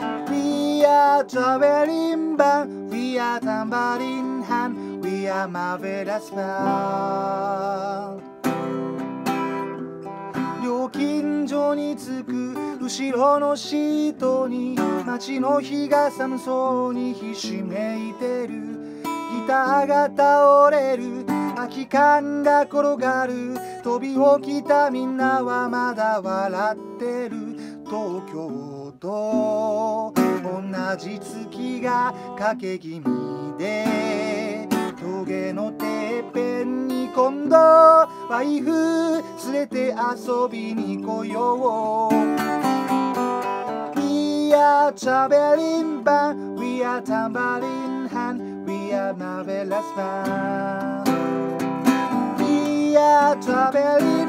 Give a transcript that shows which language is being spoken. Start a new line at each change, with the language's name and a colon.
English: We are the wedding band, We are the wedding hand, We are marvelous band。
Japanese: 料金所に着く後ろのシートに街の日が寒そうにひしめいてる。ギターが倒れる、空き缶が転がる、飛び起きたみんなはまだ笑ってる。東京と同じ月が欠け気味で、峠のてっぺんに今度ワイフ連れて遊びに来よう。
English: We are traveling band, We are tambourine hand, We are marvelous band. We are traveling band.